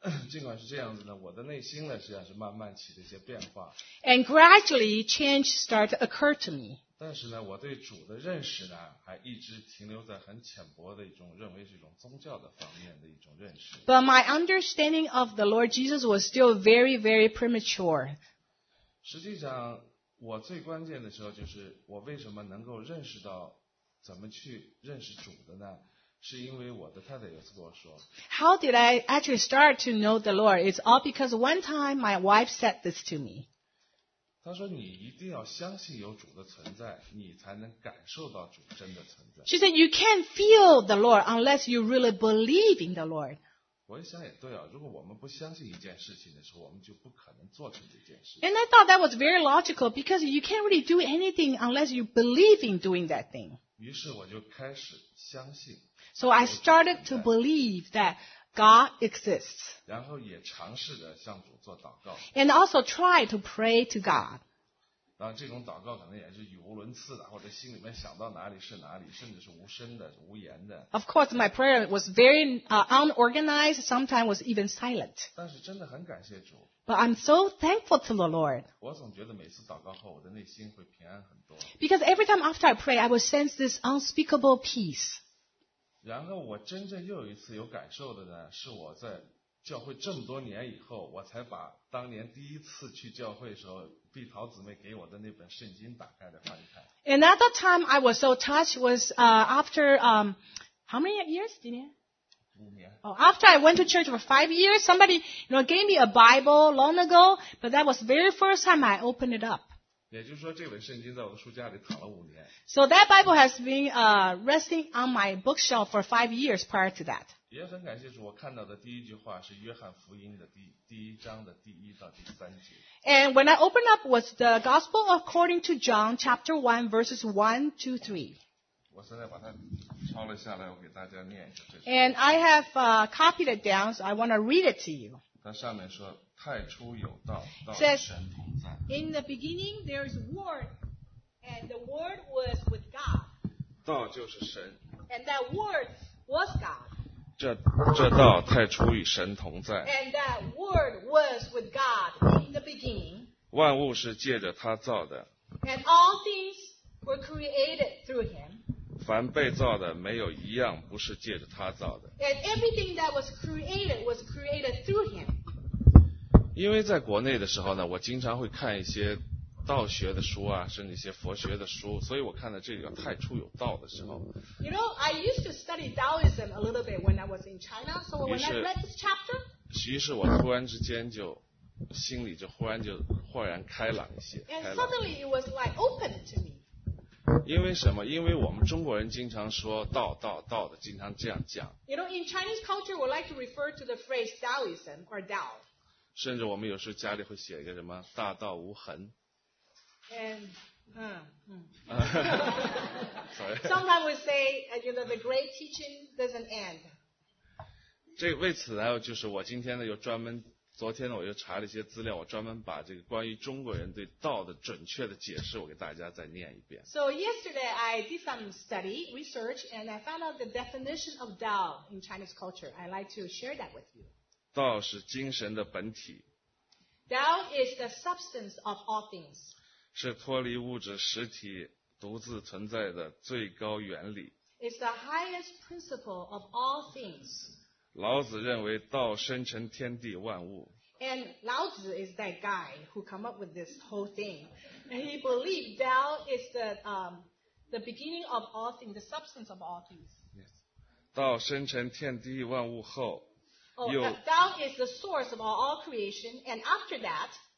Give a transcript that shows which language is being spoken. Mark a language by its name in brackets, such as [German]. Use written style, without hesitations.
[Chinese] 尽管是这样子呢，我的内心呢实际上是慢慢起了一些变化。 [English] And gradually change started to occur to me. [Chinese] 但是呢，我对主的认识呢，还一直停留在很浅薄的一种，认为是一种宗教的方面的一种认识。 [English] But my understanding of the Lord Jesus was still very, very premature. [Chinese] 实际上，我最关键的时候就是我为什么能够认识到怎么去认识主的呢？是因为我的太太有次跟我说。 [English] How did I actually start to know the Lord? It's all because one time my wife said this to me. [Chinese] 她说你一定要相信有主的存在，你才能感受到主真的存在。 [English] She said you can't feel the Lord unless you really believe in the Lord. [Chinese] 我一想也对啊，如果我们不相信一件事情的时候，我们就不可能做成这件事。 [English] And I thought that was very logical because you can't really do anything unless you believe in doing that thing. [Chinese] 于是我就开始相信。 [English] So I started to believe that God exists. [Chinese] 然后也尝试着向主做祷告。 [English] And also try to pray to God. [Chinese] 然后这种祷告可能也是语无伦次的，或者心里面想到哪里是哪里，甚至是无声的、无言的。 [English] Of course, my prayer was very unorganized. Sometimes was even silent. [Chinese] 但是真的很感谢主。 [English] But I'm so thankful to the Lord. [Chinese] 我总觉得每次祷告后，我的内心会平安很多。 [English] Because every time after I pray, I will sense this unspeakable peace. [Chinese] 然后我真正又有一次有感受的呢，是我在教会这么多年以后，我才把当年第一次去教会的时候，碧桃姊妹给我的那本圣经打开来翻一看。 [English] And at that time I was so touched was after how many years, Dinia? [Chinese] 五年。 [English] Oh, after I went to church for 5 years, somebody, you know, gave me a Bible long ago, but that was the very first time I opened it up. [Chinese] 也就是说这本圣经在我的书架里躺了五年。 [English] So that Bible has been resting on my bookshelf for 5 years prior to that. [Chinese] 也很感谢主，我看到的第一句话是约翰福音的第一章的第一到第三节。 [English] And when I opened up was the Gospel according to John, chapter 1, verses 1-3. [Chinese] 我现在把它抄了下来，我给大家念一下。 [English] And I have copied it down, so I want to read it to you. [Chinese] 它上面说，太初有道，道神同在。 [English] In the beginning there is word, and the word was with God. [Chinese] 道就是神。 [English] And that word was God. [Chinese] 这道太初与神同在。 [English] And that word was with God in the beginning. [Chinese] 万物是借着他造的。 [English] And all things were created through him. [Chinese] 凡被造的没有一样不是借着他造的。 [English] And everything that was created through him. [Chinese] 因为在国内的时候呢，我经常会看一些道学的书啊，甚至一些佛学的书，所以我看到这个太初有道的时候。 [English] You know, I used to study Taoism a little bit when I was in China. So when I read this chapter, [Chinese] 于是我突然之间就心里就忽然就豁然开朗一些。 [English] And suddenly it was like open to me. [Chinese] 因为什么？因为我们中国人经常说道道道的，经常这样讲。 [English] You know, in Chinese culture, we like to refer to the phrase Taoism or Tao. [Chinese] 甚至我们有时候家里会写一个什么大道无痕。 [English] Sometimes we say, you know, the great teaching doesn't end. [Chinese] 这为此呢，就是我今天呢又专门，昨天呢我又查了一些资料，我专门把这个关于中国人对道的准确的解释，我给大家再念一遍。 [English] So yesterday I did some study research and I found out the definition of Tao in Chinese culture. I'd like to share that with you. [Chinese] 道是精神的本体。 [English] Tao is the substance of all things. [Chinese] 是脱离物质实体独自存在的最高原理。 [English] It's the highest principle of all things. [Chinese] 老子认为道生成天地万物。 [English] And Lao Zi is that guy who come up with this whole thing. And he believed Tao is the beginning of all things, the substance of all things. [Chinese] Yes. 道生成天地万物后 [English] Oh, Tao is the source of all creation, and after that,